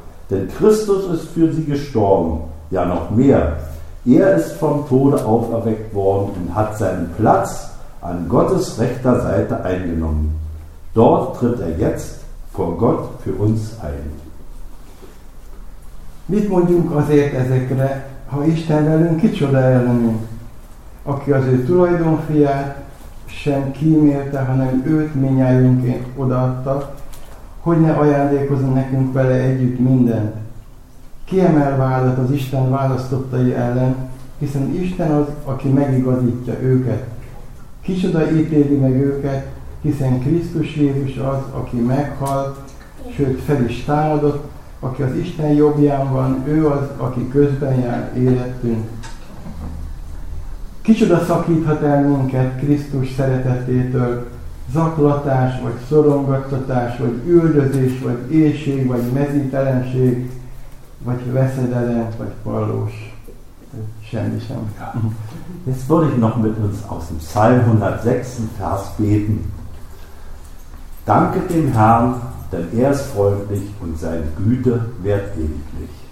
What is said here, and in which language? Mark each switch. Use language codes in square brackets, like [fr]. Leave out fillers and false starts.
[de] Denn Christus ist für sie gestorben. Ja, noch mehr. Er ist vom Tode auferweckt worden und hat seinen Platz an Gottes rechter Seite eingenommen. Dort tritt er jetzt vor Gott für uns ein. [hu] Mit mondjunk azért ezekre, ha Isten velünk, kicsoda ellenünk, aki az ő tulajdonfiát sem kímélte, hanem őt minnyájunként odaadta, hogy ne ajándékozzon nekünk vele együtt mindent. Kiemel vádat az Isten választottai ellen, hiszen Isten az, aki megigazítja őket. Kicsoda ítéli meg őket, hiszen Krisztus Jézus az, aki meghalt, sőt fel is támadott, aki az Isten jobbján van, ő az, aki közben jár életünk. Kicsoda szakíthat el minket Krisztus szeretetétől, zaklatás, vagy szorongattatás, vagy üldözés, vagy éhség, vagy mezítelenség, vagy veszedelem, vagy pallós. Semmi sem. [de] Jetzt würde ich noch mit uns aus dem Psalm 106. Vers beten. Danke dem Herrn, denn ist freundlich und seine Güte währt ewiglich.